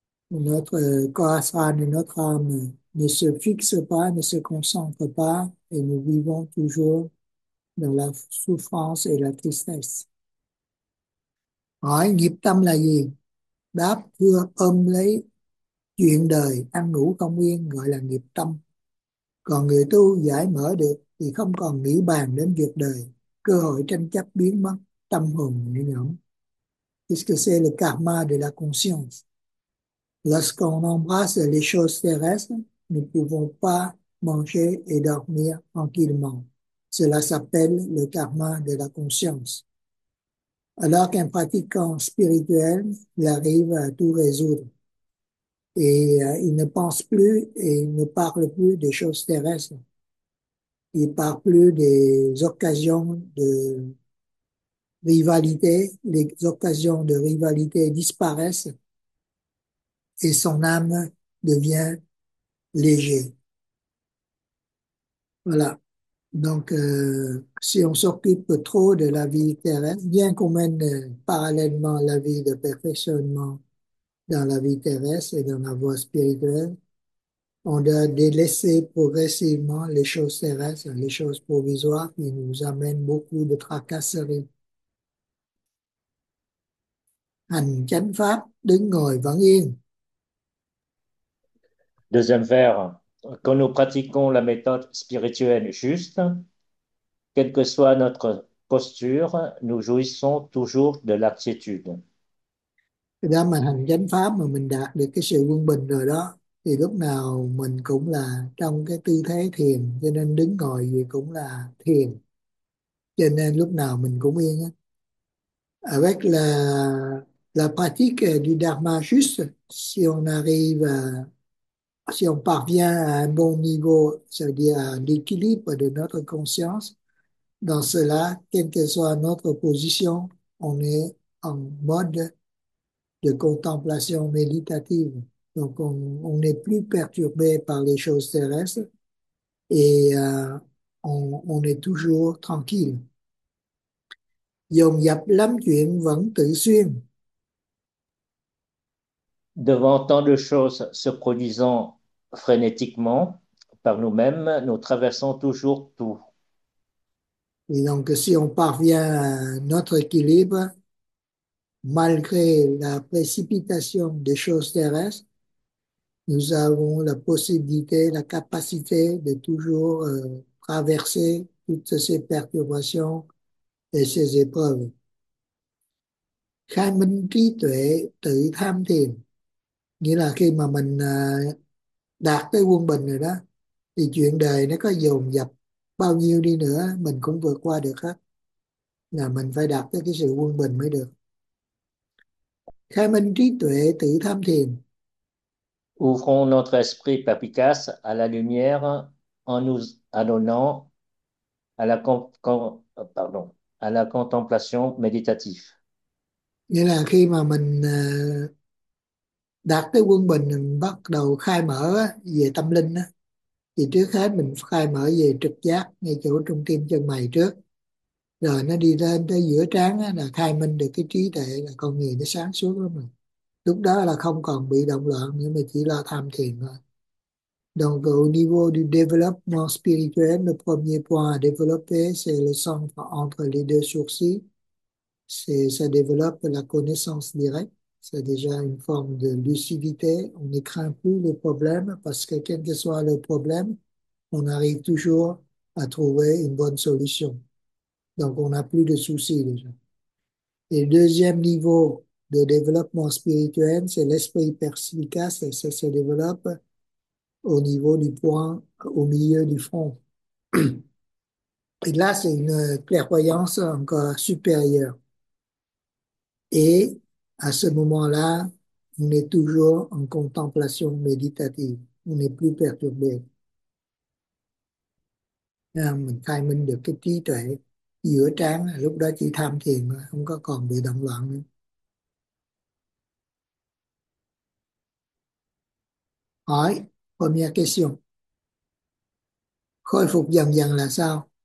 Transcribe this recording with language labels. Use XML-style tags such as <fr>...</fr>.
<fr>Notre corps et notre âme ne se fixe pas, ne se concentre pas et nous vivons toujours dans la souffrance et la tristesse.</fr> <vi>Hỏi nghiệp tâm là gì? Đáp thưa ôm lấy chuyện đời ăn ngủ không yên gọi là nghiệp tâm. Còn người tu giải mở được thì không còn nghĩ bàn đến việc đời, cơ hội tranh chấp biến mất, tâm hồn nhẹ nhõm.</vi> <fr>Puisque c'est le karma de la conscience. Lorsqu'on embrasse les choses terrestres, nous ne pouvons pas manger et dormir tranquillement. Cela s'appelle le karma de la conscience. Alors qu'un pratiquant spirituel, il arrive à tout résoudre. Et il ne pense plus et il ne parle plus des choses terrestres. Il ne parle plus des occasions de rivalité. Les occasions de rivalité disparaissent et son âme devient léger. Voilà. Donc, si on s'occupe trop de la vie terrestre, bien qu'on mène parallèlement la vie de perfectionnement dans la vie terrestre et dans la voie spirituelle, on doit délaisser progressivement les choses terrestres, les choses provisoires qui nous amènent beaucoup de tracasseries.</fr> <vi>Hành chánh pháp, đứng ngồi vẫn yên.</vi> <fr>Deuxième vers. Quand nous pratiquons la méthode spirituelle juste, quelle que soit notre posture, nous jouissons toujours de la quiétude.</fr> <vi>Cái đó mình hành chánh pháp mà mình đạt được cái sự quân bình rồi đó thì lúc nào mình cũng là trong cái tư thế thiền, cho nên đứng ngồi gì cũng là thiền, cho nên lúc nào mình cũng yên á.</vi> <fr>Avec la pratique du dharma juste, si on arrive à, si on parvient à un bon niveau, c'est-à-dire à l'équilibre de notre conscience, dans cela, quelle que soit notre position, on est en mode de contemplation méditative. Donc, on n'est plus perturbé par les choses terrestres et on est toujours tranquille.</fr> <vi>Dồn dập lắm chuyện vẫn tự xuyên.</vi> <fr>Devant tant de choses se produisant frénétiquement par nous-mêmes, nous traversons toujours tout. Et donc, si on parvient à notre équilibre, malgré la précipitation des choses terrestres, nous avons la possibilité, la capacité de toujours traverser toutes ces perturbations et ces épreuves.</fr> <vi>Khai minh trí tuệ tự tham thiền, nghĩa là khi mà mình đạt tới quân bình rồi đó, thì chuyện đời nó có dồn dập bao nhiêu đi nữa, mình cũng vượt qua được hết. Là mình phải đạt tới cái sự quân bình mới được. Khai minh trí tuệ tự tham thiền.</vi> <fr>Ouvrons notre esprit perspicace à la lumière en nous adonnant à la, pardon, à la contemplation méditative.</fr> <vi>Nghĩa là khi mà mình đạt tới quân bình, mình bắt đầu khai mở về tâm linh á, thì trước hết mình khai mở về trực giác ngay chỗ trung tim chân mày trước, rồi nó đi lên tới giữa trán á, là khai minh được cái trí tuệ, là con người nó sáng suốt lắm rồi. Lúc đó là không còn bị động loạn nữa mà chỉ lo tham thiền thôi.</vi> <fr>Donc au niveau du développement spirituel, le premier point à développer, c'est le centre entre les deux sourcils. Ça développe la connaissance directe. C'est déjà une forme de lucidité. On ne craint plus le problème parce que quel que soit le problème, on arrive toujours à trouver une bonne solution. Donc, on n'a plus de soucis déjà. Et le deuxième niveau de développement spirituel, c'est l'esprit perspicace. Ça se développe au niveau du point au milieu du front. Et là, c'est une clairvoyance encore supérieure. Et à ce moment-là, on est toujours en contemplation méditative. On n'est plus perturbé.</fr> <vi>Là, mình khai minh được cái trí tuệ giữa trán, lúc đó chỉ tham thiền, không có còn bị động loạn nữa. Hỏi,</vi> <fr>première question.</fr> <vi>Khôi phục dần dần là sao?</vi>